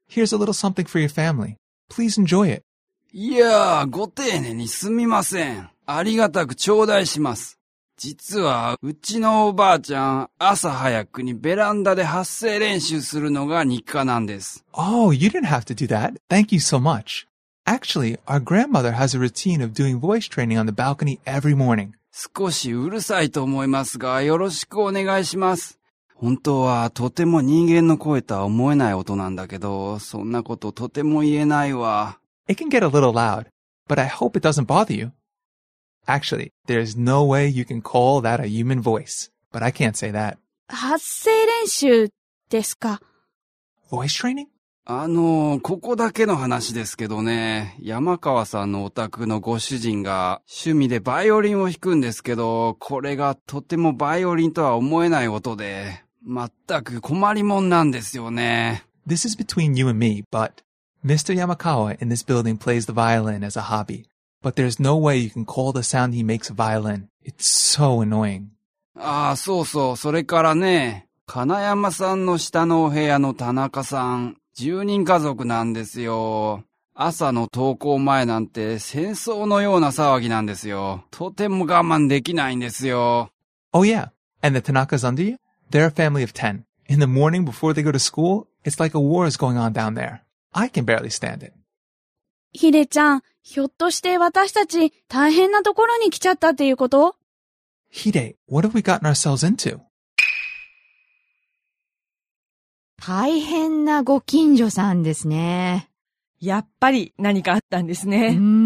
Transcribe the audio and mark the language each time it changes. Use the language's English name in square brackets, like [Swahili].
[English] Here's a little something for your family. Please enjoy it. [Japanese] いやー、ご丁寧にすみません。ありがたく頂戴します。実はうちのおばあちゃん、朝早くにベランダで発声練習するのが日課なんです。 [English] Oh, you didn't have to do that. Thank you so much. Actually, our grandmother has a routine of doing voice training on the balcony every morning. [Japanese] 少しうるさいと思いますが、よろしくお願いします。本当はとても人間の声とは思えない音なんだけど、そんなこととても言えないわ。 [English] It can get a little loud, but I hope it doesn't bother you. Actually, there's no way you can call that a human voice, but I can't say that. [Japanese] 発声練習ですか? [English] Voice training? [Japanese] ここだけの話ですけどね、山川さんのお宅のご主人が趣味でバイオリンを弾くんですけど、これがとてもバイオリンとは思えない音で、全く困りもんなんですよね。 [English] This is between you and me, but Mr. Yamakawa in this building plays the violin as a hobby. But there's no way you can call the sound he makes a violin. It's so annoying. [Japanese] ああ、そうそう、それからね、金山さんの下のお部屋の田中さん、10人家族なんですよ。朝の登校前なんて戦争のような騒ぎなんですよ。とても我慢できないんですよ。 [English] Oh yeah, and the Tanakas under you? They're a family of 10. In the morning before they go to school, it's like a war is going on down there. I can barely stand it. [Japanese] ヒデちゃん、ひょっとして私たち大変なところに来ちゃったっていうこと? [English] Hide, what have we gotten ourselves into? [Japanese] 大変なご近所さんですね。やっぱり何かあったんですね。